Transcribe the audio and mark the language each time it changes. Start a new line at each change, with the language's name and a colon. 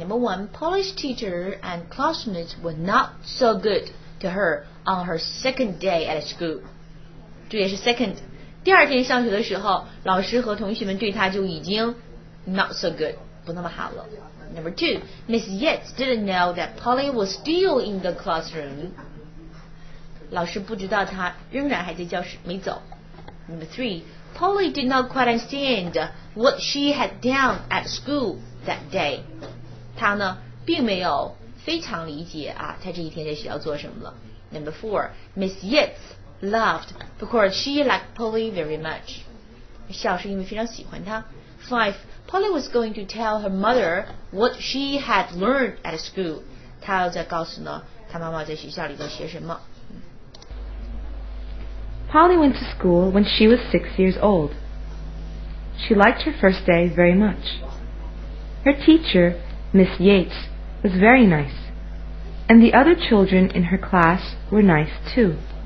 English: Number one, Polish teacher and classmates were not so good to her on her second day at school.
Chinese: 这也是 second. 第二天上学的时候，老师和同学们对她就已经
English: not so good,
Chinese: 不那么好了。
English: Number two, Miss Yates didn't know that Polly was still in the classroom.
Chinese: 老师不知道她仍然还在教室没走。
English: Number three, Polly did not quite understand what she had done at school. That day,
Chinese: 他呢并没有非常理解啊，他这一天在学校做什么了。
English: Number four, Miss Yates laughed because she liked Polly very much.
Chinese: 笑是因为非常喜欢她。
English: Five, Polly was going to tell her mother what she had learned at school.
Chinese: 她要再告诉呢，她妈妈在学校里都学什么。
English: Polly went to school when she was 6 years old. She liked her first day very much. Her teacher, Miss Yates, was very nice, and the other children in her class were nice too.